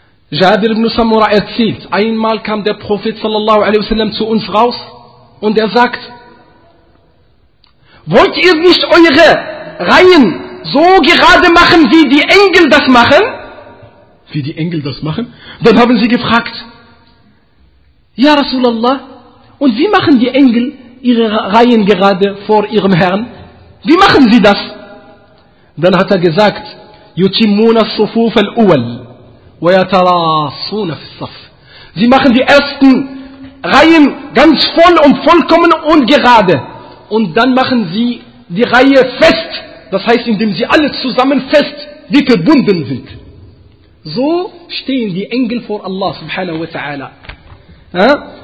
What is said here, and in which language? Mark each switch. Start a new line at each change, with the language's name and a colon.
German: Jabir ibn Samura erzählt, einmal kam der Prophet sallallahu alaihi wasallam zu uns raus und er sagt, wollt ihr nicht eure Reihen so gerade machen, wie die Engel das machen? Wie die Engel das machen? Dann haben sie gefragt, ja Rasulallah, und wie machen die Engel ihre Reihen gerade vor ihrem Herrn? Wie machen sie das? Dann hat er gesagt,
Arabic: يُتِمُّونَ الصُّفُوفَ الْأُوَلْ وَيَتَرَاصُونَ فِي الصَّفْ.
German: Sie machen die ersten Reihen ganz voll und vollkommen und gerade. Und dann machen sie die Reihe fest. Das heißt, indem sie alle zusammen fest wie verbunden sind. So stehen die Engel vor Allah subhanahu wa ta'ala.